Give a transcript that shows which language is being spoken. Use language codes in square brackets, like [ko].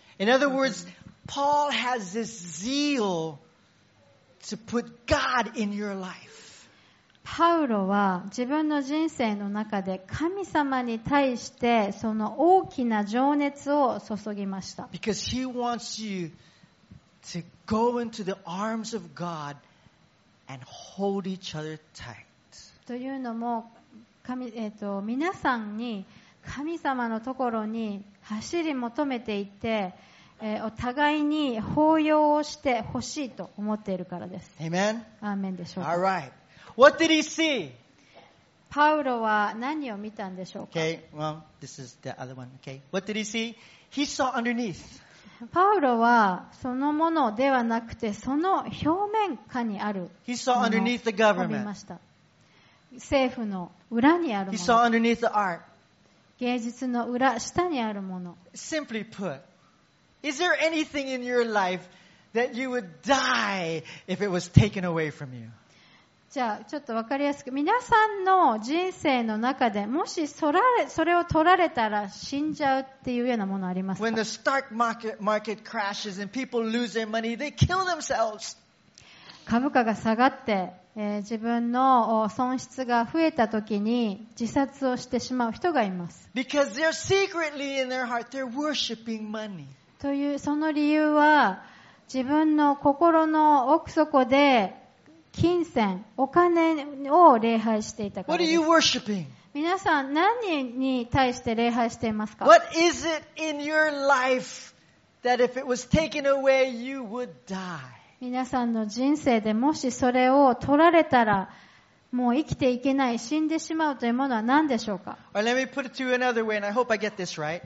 [en] In other words, Paul has this zeal to put God in your life. [ja] パウロは自分の人生の中で神様に対してその大きな情熱を注ぎました。 [en] Because he wants you to go into the arms of God and hold each other tight. [ja] というのも、皆さんに神様のところに走り求めていて、お互いに抱擁をしてほしいと思っているからです。 [en] Amen. [ja] アーメンでしょうか。 [en] All right. What did he see? [ja] パウロは何を見たんでしょうか。 [en] Okay. Well, this is the other one. Okay. What did he see? He saw underneath. [ja] パウロはそのものではなくて、その表面下にあるものを見ました。 [en] He saw underneath the government. [ja] 政府の裏にあるもの。 [en] He saw underneath the art. [ja] 芸術の裏、下にあるもの。 [en] Simply put, is there anything in your life that you would die if it was taken away from you? [ja] じゃあ、ちょっとわかりやすく。皆さんの人生の中で、もしそれを取られたら死んじゃうっていうようなものありますか? [en] When the stock market crashes and people lose their money, they kill themselves. [ja] 株価が下がって、自分の損失が増えた時に自殺をしてしまう人がいます。 [en] Because they're secretly in their heart, they're worshiping money. [ja] というその理由は自分の心の奥底で金銭、お金を礼拝していたからです。 [en] What are you worshiping? [ja] 皆さん何に対して礼拝していますか? [en] What is it in your life that if it was taken away, you would die? [ja] 皆さんの人生でもしそれを取られたらもう生きていけない死んでしまうというものは何でしょうか。 [en] Let me put it to you another way, and I hope I get this right.